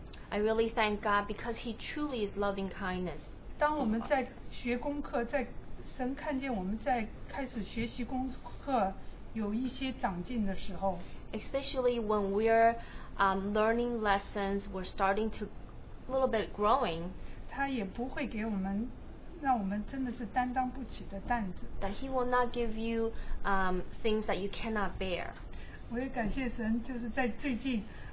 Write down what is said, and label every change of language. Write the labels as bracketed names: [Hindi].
[English] I really thank God because He truly is loving kindness. [Chinese] 当我们在学功课，在神看见我们在开始学习功课，有一些长进的时候。 [English] Especially when we're learning lessons, we're starting to a little bit growing. [Chinese] 他也不会给我们，让我们真的是担当不起的担子。 [English] That He will not give you things that you cannot bear. [Chinese] 我也感谢神，就是在最近。